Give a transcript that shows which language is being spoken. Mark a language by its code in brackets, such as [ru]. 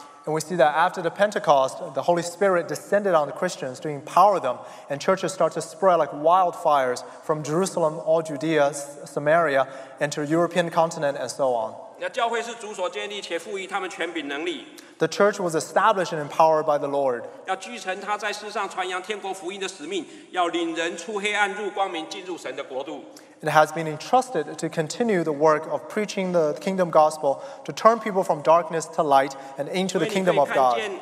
[en] And we see that after the Pentecost, the Holy Spirit descended on the Christians to empower them, and churches start to spread like wildfires from Jerusalem, all Judea, Samaria, and to the European continent, and so on. [zh] 教会是主所建立且赋予他们权柄能力。 [en] The church was established and empowered by the Lord. [zh] 要继承他在世上传扬天国福音的使命，要领人出黑暗入光明，进入神的国度。 [en] It has been entrusted to continue the work of preaching the kingdom gospel to turn people from darkness to light and into the kingdom of God.